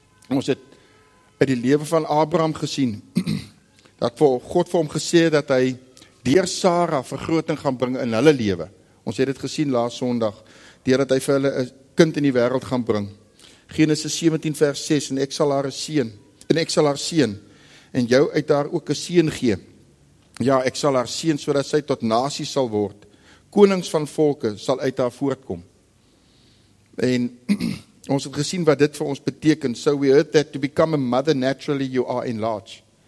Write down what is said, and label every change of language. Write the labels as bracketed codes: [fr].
[af] Ons het uit die lewe van Abraham gesien dat God vir hom gesê het dat hy deur Sara vergroting gaan bring in hulle lewe. Ons het dit gesien laas Sondag, deurdat hy vir hulle 'n kind in die wêreld gaan bring. Genesis 17 vers 6, en ek sal haar seën, en ek sal haar seën, en jou uit haar ook 'n seën gee. Ja, ek sal haar seën, sodat sy tot nasie sal word. Konings van volke sal uit haar voortkom. En ons het gesien wat dit vir ons beteken. [en] So we heard that to become a mother naturally you are enlarged.